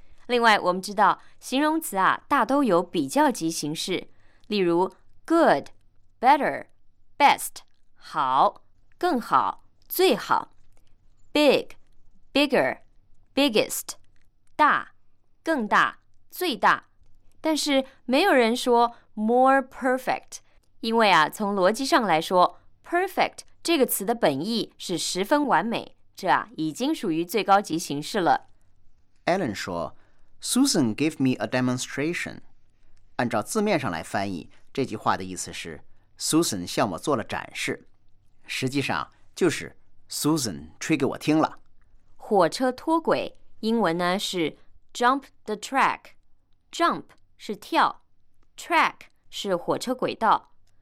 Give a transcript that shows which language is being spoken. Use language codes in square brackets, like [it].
[zh] 另外我们知道形容词啊大都有比较级形式例如 good better best 好更好最好 bigBigger, biggest, 大，更大，最大。但是没有人说 more perfect, 因为啊，从逻辑上来说 ,perfect 这个词的本意是十分完美，这啊，已经属于最高级形式了。 [en] Ellen 说 ,Susan gave me a demonstration. [zh] 按照字面上来翻译，这句话的意思是 ,Susan 向我做了展示。实际上就是 Susan 吹给我听了。火车脱轨，英文呢是 jump the track。 jump 是跳 ，track 是火车轨道。